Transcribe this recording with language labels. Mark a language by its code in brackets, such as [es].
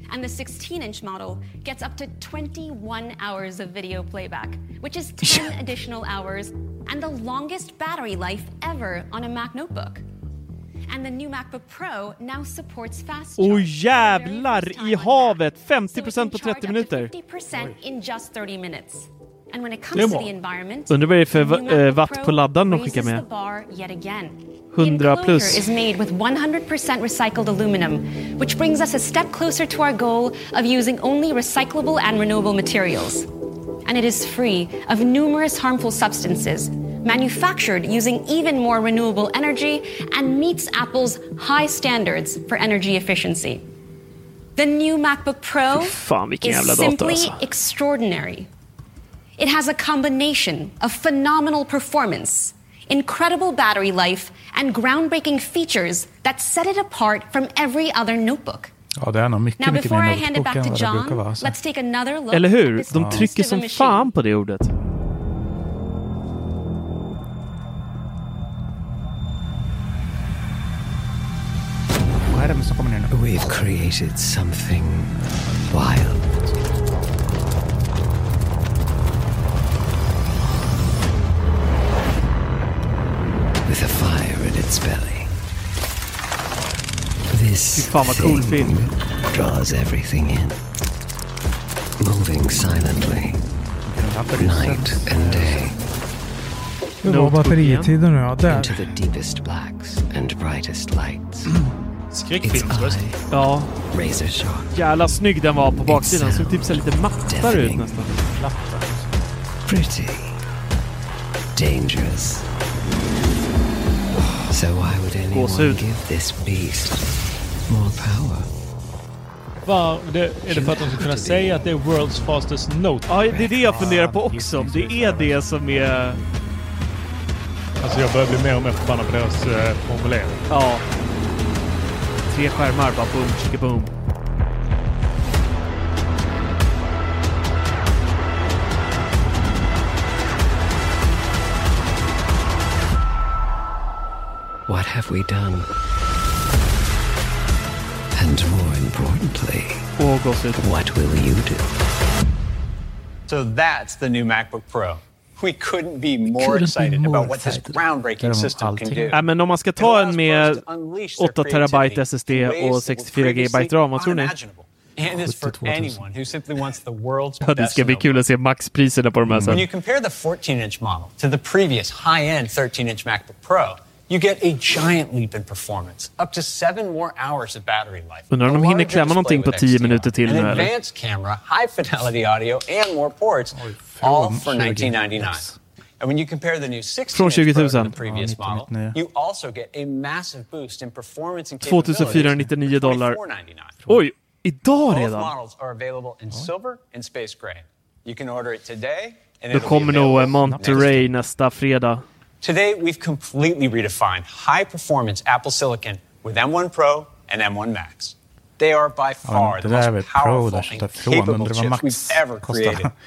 [en] And the 16-inch model gets up to 21 hours of video playback, which is 10 additional hours and the longest battery life ever on a Mac notebook. And the new MacBook Pro now supports fast charge. [sv] Oh, jävlar i havet, 50% på 30 minuter. [en] 50% in just 30 minutes. And when it comes to the environment, [sv] undrar vad det är för watt på laddaren de skickar med. [en] 100 plus. Is made with 100% recycled aluminum, which brings us a step closer to our goal of using only recyclable and renewable materials. And it is free of numerous harmful substances, manufactured using even more renewable energy, and meets Apple's high standards for energy efficiency. The new MacBook Pro is simply extraordinary. It has a combination of phenomenal performance, incredible battery life, and groundbreaking features that set it apart from every other notebook. [sv] Ja, det är nog mycket, mycket mer notebook än vad det brukar vara. [en] Let's take another look. [sv] Eller hur? De trycker som fan på det ordet. Vad är det som kommer ner? [en] We've created something wild. With a fire in its belly. This thing draws everything in. Moving silently. Night and day. [sv] Det var batteritiden nu, ja. [en] Into the deepest blacks and brightest lights. [sv] Skräckfilms, ja. Jävla snygg den var på baksidan. Så typ ser lite mattare ut nästan. [en] Pretty. Dangerous. So why would anyone give this beast more power? [sv] Är det för att de ska kunna säga att det är [en] world's fastest notebook? [sv] Ja, det är det jag funderar på också. Det är det som är... Alltså jag börjar bli mer och mer förbannad på deras formulering. Ja. Tre skärmar, bara boom, chicka boom. [en] What have we done? And more importantly, what will you do? So that's the new MacBook Pro. We couldn't be more excited about what this groundbreaking system can do. [sv] Ja, men om man ska ta en med 8 terabyte SSD och 64 GB RAM, vad tror ni? [en] And it's for anyone who simply wants the world's best. [sv] Ja, det ska bli kul att se maxpriserna på de här. [en] When you compare the 14-inch model to the previous high-end 13-inch MacBook Pro, you get a giant leap in performance, up to 7 more hours of battery life. [sv] Undrar om de hinner klämma någonting på 10 minuter till nu, eller? [en] An advanced camera, high fidelity audio and more ports, all for $1,999. And when you compare the new 16-inch Pro to the previous model, you also get a massive boost in performance and capabilities for $2,499. [sv] Oj, idag redan? [en] Both models are available in silver and space gray. You can order it today, and [sv] då kommer nog Monterey nästa fredag. [en] Today we've completely redefined high performance Apple Silicon with M1 Pro and M1 Max. They are by far the most powerful and capable chips we've ever created.